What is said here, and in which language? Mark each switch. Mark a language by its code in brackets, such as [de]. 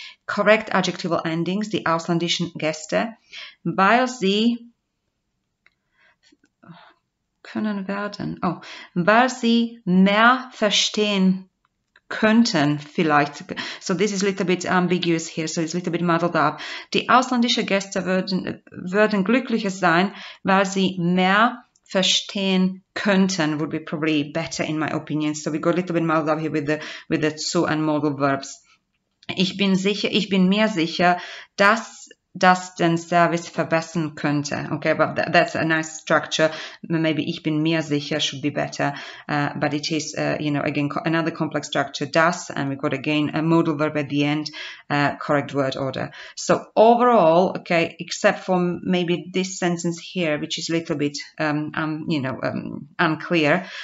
[de] Correct adjectival endings, die ausländischen Gäste, weil sie können werden, weil sie mehr verstehen könnten vielleicht. [en] So this is a little bit ambiguous here, so it's a little bit muddled up. [de] Die ausländische Gäste würden glücklicher sein, weil sie mehr verstehen könnten, [en] would be probably better in my opinion. So we got a little bit muddled up here with the zu and modal verbs. [de] Ich bin mir sicher, dass das den Service verbessern könnte. [en] Okay, but that's a nice structure. Maybe [de] ich bin mir sicher [en] should be better. But it is, again, another complex structure, das, and we've got again a modal verb at the end, correct word order. So overall, okay, except for maybe this sentence here, which is a little bit, unclear.